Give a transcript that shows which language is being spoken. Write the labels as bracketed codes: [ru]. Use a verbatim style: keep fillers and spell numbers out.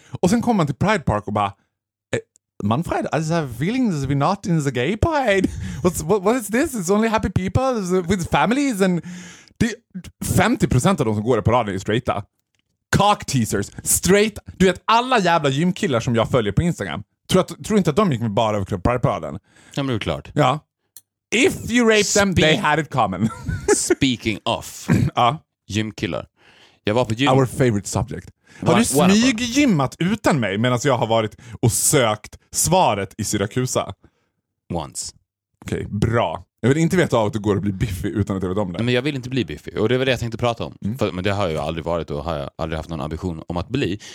[sv] Och sen kommer man till Pride Park och bara, [en] Manfred, I have feelings that we're not in the gay pride. What's, what, what is this? It's only happy people with families and... [sv] Det, femtio procent av de som går på raden är straighta. [en] Cock teasers. [sv] Straight. Du vet, alla jävla gymkillar som jag följer på Instagram. Tror, att, tror inte att de gick med bara överkropp på raden? Ja, men det är klart. Ja. [en] If you raped Spe- them, they had it common. Speaking of [sv] ja. gymkillar. Jag var på gym. [en] Our favorite subject. [sv] Har du smyggymmat utan mig medan jag har varit och sökt svaret i Syrakusa? [en] Once. [sv] Okej, okay, bra. Jag vill inte veta av att det går att bli biffig utan att jag vet om det. Men jag vill inte bli biffig. Och det var det jag tänkte prata om. Mm. För, men det har jag aldrig varit och har jag aldrig haft någon ambition om att bli.